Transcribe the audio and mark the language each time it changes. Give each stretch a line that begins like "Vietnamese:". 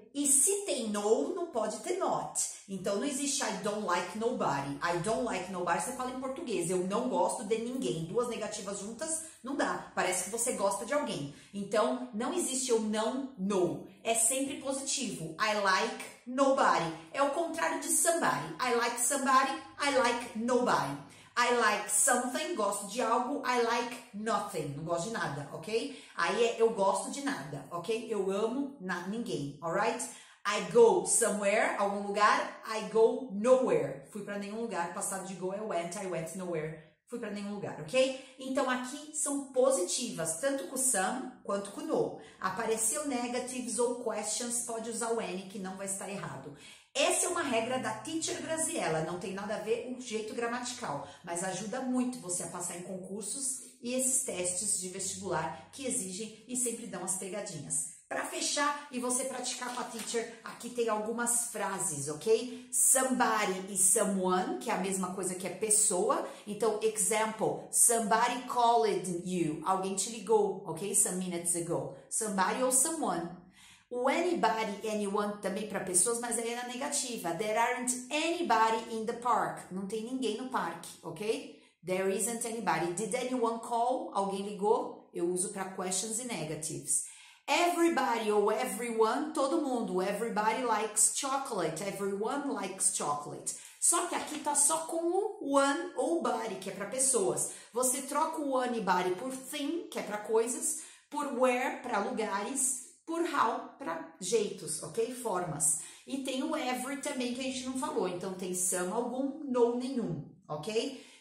Portuguese: E se tem no, não pode ter not. Então, não existe
English: I don't like nobody. I don't like nobody,
Portuguese: você fala em português. Eu não gosto de ninguém. Duas negativas juntas, não dá. Parece que você gosta de alguém. Então, não existe eu não, no. É sempre positivo.
English: I like nobody.
Portuguese: É o contrário de somebody.
English: I like somebody, I like nobody. I like something,
Portuguese: gosto de algo.
English: I like nothing,
Portuguese: não gosto de nada, ok? Aí é eu gosto de nada, ok? Eu amo ninguém, alright?
English: I go somewhere,
Portuguese: algum lugar.
English: I go nowhere,
Portuguese: fui pra nenhum lugar. Passado de go,
English: I went nowhere.
Portuguese: Fui pra nenhum lugar, ok? Então aqui são positivas, tanto com some quanto com no. Apareceu negatives ou questions, pode usar o any, que não vai estar errado. Essa é uma regra da Teacher Graziella, não tem nada a ver com o jeito gramatical, mas ajuda muito você a passar em concursos e esses testes de vestibular que exigem e sempre dão as pegadinhas. Para fechar e você praticar com a teacher, aqui tem algumas frases, ok? Somebody e someone, que é a mesma coisa que é pessoa. Então, example,
English: somebody called you,
Portuguese: alguém te ligou, ok?
English: Some minutes ago,
Portuguese: somebody ou someone. O anybody, anyone, também para pessoas, mas aí era negativa.
English: There aren't anybody in the park.
Portuguese: Não tem ninguém no parque, ok?
English: There isn't anybody. Did anyone call?
Portuguese: Alguém ligou? Eu uso para questions e negatives. Everybody ou everyone, todo mundo.
English: Everybody likes chocolate. Everyone likes chocolate.
Portuguese: Só que aqui tá só com o one ou body, que é para pessoas. Você troca o one e body por thing, que é para coisas, por where, para lugares, por how, para jeitos, ok? Formas. E tem o every também, que a gente não falou. Então, tem some, algum, no, nenhum, ok?